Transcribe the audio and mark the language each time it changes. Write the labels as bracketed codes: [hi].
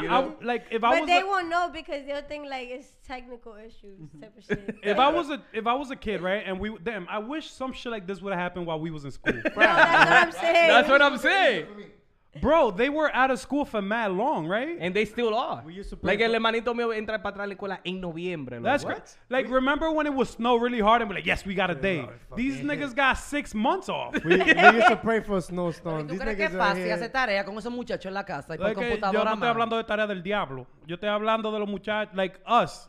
[en] you know? But they won't know because they'll think, like, it's technical issues type of shit. If I was a kid, right, and I wish some shit like this would have happened while we was in school. No, that's what I'm saying. Bro, they were out of school for mad long, right? And they still are. [es] El hermanito mío entra para atrás la escuela en noviembre. [en] That's great. Like, remember when it would snow really hard and be like, yes, we got a day. These niggas got 6 months off. We used to pray for a snowstorm. [es] ¿Tú crees que es fácil hacer tarea con esos muchachos en la casa y por computadora? Yo no estoy hablando de tarea del diablo. Yo estoy hablando de los muchachos, [en] like us.